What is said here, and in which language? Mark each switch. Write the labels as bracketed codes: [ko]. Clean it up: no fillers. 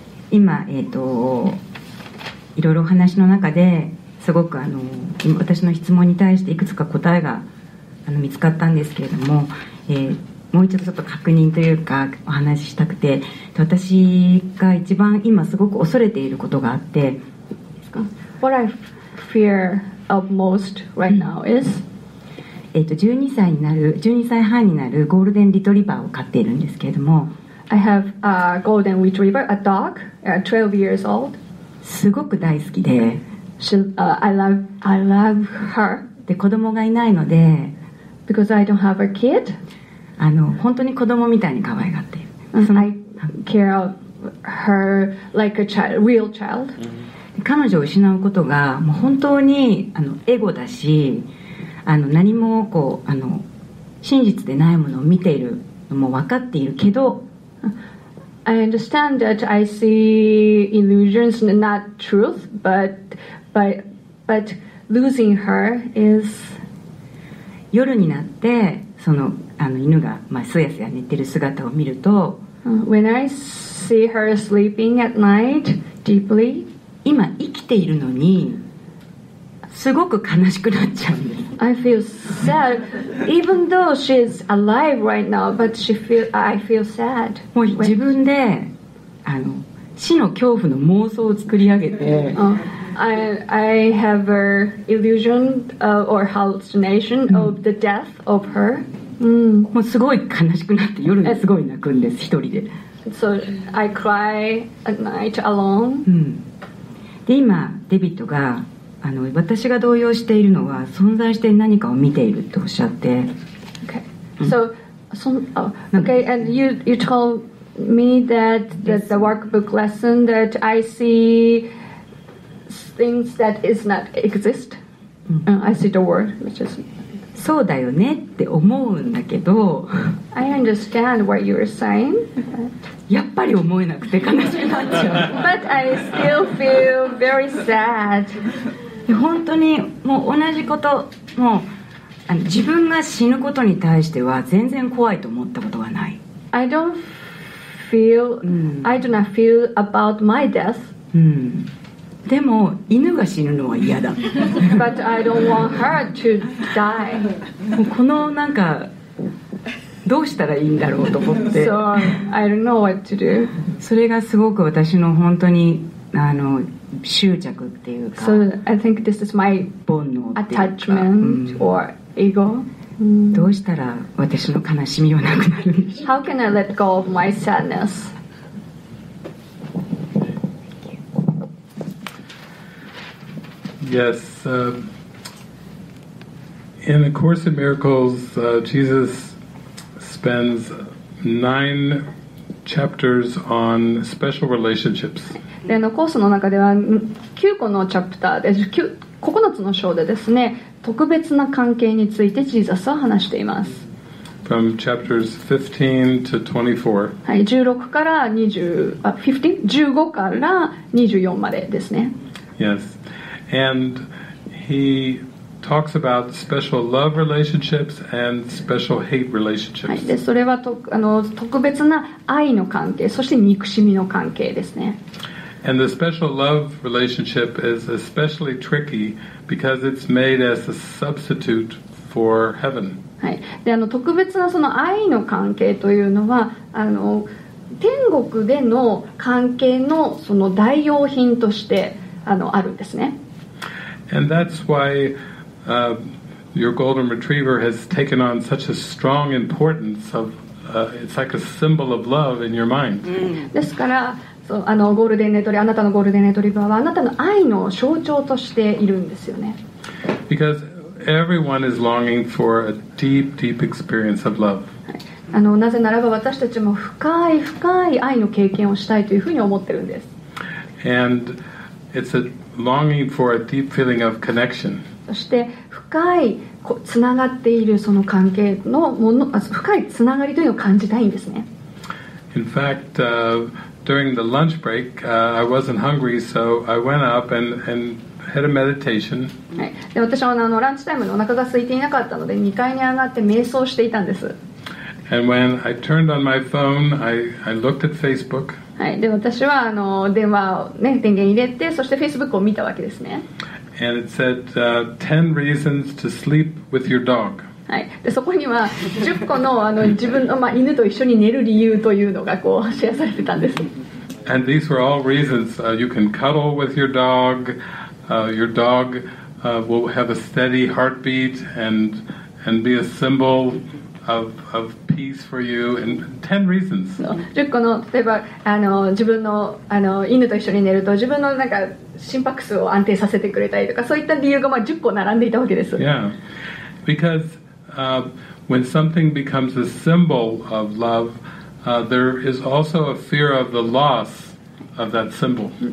[ja] 今いろいろ話の中ですごく私の質問に対していくつか答えが見つかったんですけれども、もう一度ちょっと確認というかお話ししたくて、私が一番今すごく恐れていることがあって、 [en] What I fear of most right now is [ja] 12歳半になるゴールデンリトリバーを飼っているんですけれども、 [en] I have a golden retriever, a dog, 12 years old. [ja] すごく大好きで、 [en] I love her. [ja] で、子供がいないので、 [en] because I don't have a kid. [ja] 本当に子供みたいに可愛がっている。その、 [en] I care of her like a child, real child. [ja] 彼女を失うことがもう本当にエゴだし、何もこう真実でないものを見ているのも分かっているけど。 [en] I understand that I see illusions, not truth, but losing her is. [ja] 夜になってその犬がすやすや寝てる姿を見ると、 [en] When I see her sleeping at night deeply, [ja] 今生きているのにすごく悲しくなっちゃう。 [en] I feel sad, even though she's alive right now, but I feel sad. [ja] もう自分で死の恐怖の妄想を作り上げて、 [en] I have a illusion or hallucination of the death of her. [ja] もうすごい悲しくなって夜にすごい泣くんです一人で。 [en] So I cry at night alone. [ja] で今デビッドが私が動揺しているのは存在して何かを見ているとおっしゃって、 [en] okay. So, okay, and you told me that, that the workbook lesson that I see things that is not exist. I see the world, which is. [ja] そうだよねって思うんだけど。 [en] I understand what you are saying. [ja] やっぱり思えなくて悲しくなっちゃう。 [en] But I still feel very sad. [ja] 本当にもう同じこと、もう自分が死ぬことに対しては全然怖いと思ったことがない。 [en] I don't feel,、I do not feel about my death.、 [ja] でも犬が死ぬのは嫌だ。 [en] But I don't want her to die. [ja] もうこのなんかどうしたらいいんだろうと思って。 [en] So I don't know what to do. [ja] それがすごく私の本当に執着っていうか、 [en] so I think this is my [ja] 煩悩っていうか、 [en] attachment or ego. [ja] どうしたら私の悲しみはなくなるんでしょう。 [en] How can I let go of my sadness? Yes, in the Course in Miracles, Jesus spends 9 chapters on special relationships. [ja] でのコースの中では9個のチャプターで 9つの章でですね、特別な関係についてジーザスは話しています。 [en] From chapters 15 to 24、 [ja] はい、16から20 15から24までですね。 [en] Yes, and he talks about special love relationships and special hate relationships、 [ja] はい、でそれは特別な愛の関係、そして憎しみの関係ですね。 [en] And the special love relationship is especially tricky because it's made as a substitute for heaven. [ja] はい。で、特別なその愛の関係というのは、天国での関係のその代用品としてあるんですね。 [en] And that's why, your golden retriever has taken on such a strong importance of, it's like a symbol of love in your mind. [ja] ですから、そう、ゴールデンレトリ、あなたのゴールデンレトリバーはあなたの愛の象徴としているんですよね。 [en] Because everyone is longing for a deep, deep experience of love. [ja] なぜならば私たちも深い深い愛の経験をしたいというふうに思ってるんです。 [en] And it's a longing for a deep feeling of connection. [ja] そして深いつながっているその関係のもの、深いつながりというのを感じたいんですね。 [en] In fact, During the lunch break, I wasn't hungry, so I went up and had a meditation. [ja] で、私はランチタイムでお腹が空いていなかったので、2階に上がって瞑想していたんです。 [en] And when I turned on my phone, I looked at Facebook. [ja] はい、で、私は電話をね、電源入れて、そして Facebook を見たわけですね。 [en] And it said, 10 reasons to sleep with your dog. [ja] はい、で、そこには10個の自分の、犬と一緒に寝る理由というのがこうシェアされてたんです。 [en] And these were all reasons. You can cuddle with your dog. Your dog will have a steady heartbeat and be a symbol of peace for you. And 10 reasons. [ja] 10個の例えば自分の犬と一緒に寝ると自分のなんか心拍数を安定させてくれたりとかそういった理由が10個並んでいたわけです。 [en] Yeah, because when something becomes a symbol of love. There is also a fear of the loss of that symbol.